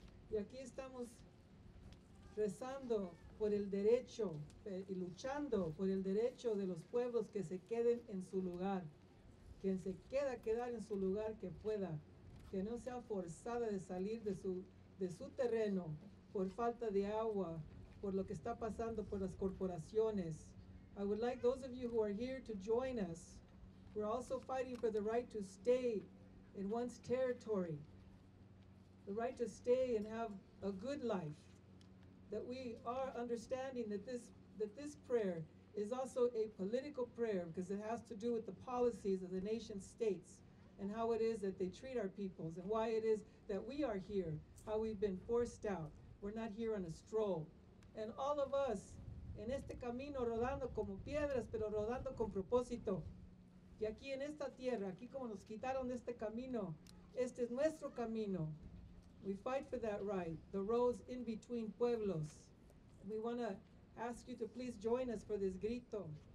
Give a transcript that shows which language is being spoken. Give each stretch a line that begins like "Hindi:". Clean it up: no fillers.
Spanish: Y aquí estamos rezando por el derecho y luchando por el derecho de los pueblos que se queden en su lugar. Quien se queda quedar en su lugar, que pueda. Que no sea forzada de salir de su terreno por falta de agua, por lo que está pasando por las corporaciones.
English: I would like those of you who are here to join us. We're also fighting for the right to stay in one's territory. The right to stay and have a good life. That we are understanding that this prayer is also a political prayer, because it has to do with the policies of the nation states and how it is that they treat our peoples, and why it is that we are here, how we've been forced out. We're not here on a stroll. And all of us,
Spanish: en este camino, rodando como piedras, pero rodando con propósito. Y aquí en esta tierra, aquí como nos quitaron de este camino, este es nuestro camino.
English: We fight for that right, the roads in between pueblos. We want to ask you to please join us for this grito.